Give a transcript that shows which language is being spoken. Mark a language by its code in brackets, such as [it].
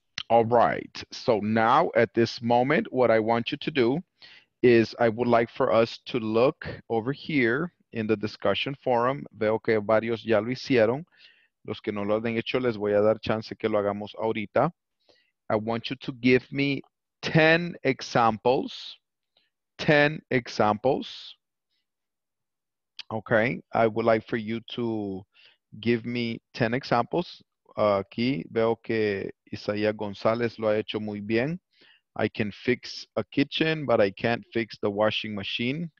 [en] All right, so now at this moment, what I want you to do is I would like for us to look over here in the discussion forum. [es] Veo que varios ya lo hicieron. Los que no lo han hecho, les voy a dar chance que lo hagamos ahorita. [en] I want you to give me 10 examples. 10 examples. Okay, I would like for you to give me 10 examples. [es] Aquí veo que Isaías González lo ha hecho muy bien. [en] I can fix a kitchen, but I can't fix the washing machine.